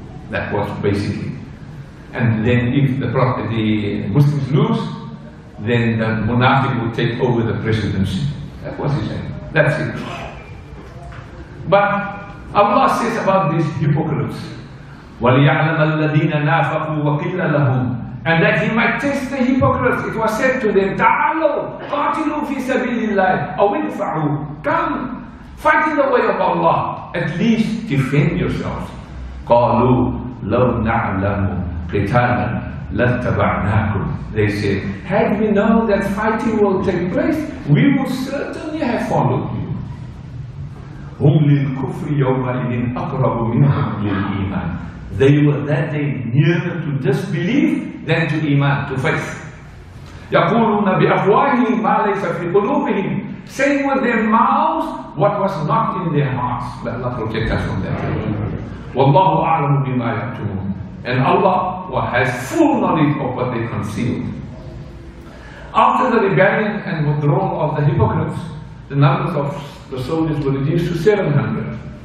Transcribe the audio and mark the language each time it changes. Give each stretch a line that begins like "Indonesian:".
English: That was basically. And then if the Muslims lose, then the munafiq will take over the presidency. That was his aim. That's it. But Allah says about these hypocrites,
Arabic: وَلِيَعْلَمَ الَّذِينَ نَافَقُوا وَقِلَّ لَهُمْ,
English: and that he might test the hypocrites. It was said to them,
Arabic: تَعَالُوا قَاتِلُوا فِي سَبِيلِ اللَّهِ أَوْ اِنْفَعُوا.
English: Come, fight in the way of Allah. At least defend yourselves.
Arabic: قَالُوا لَوْ نَعْلَمُ قِتَالًا لَاتَّبَعْنَاكُمْ.
English: They said, had we known that fighting will take place, we would certainly have followed you.
Arabic: هم للكفر يومئذ أقرب منهم للإيمان.
English: They were that day nearer to disbelief than to iman, to faith.
Arabic: يقولون بأفواههم ما ليس في قلوبهم.
English: Saying with their mouths what was not in their hearts. Let Allah protect us from that.
Arabic: والله أعلم بما يكتمون.
English: And Allah has full knowledge of what they concealed. After the rebellion and withdrawal of the hypocrites, the numbers of the soldiers were reduced to 700.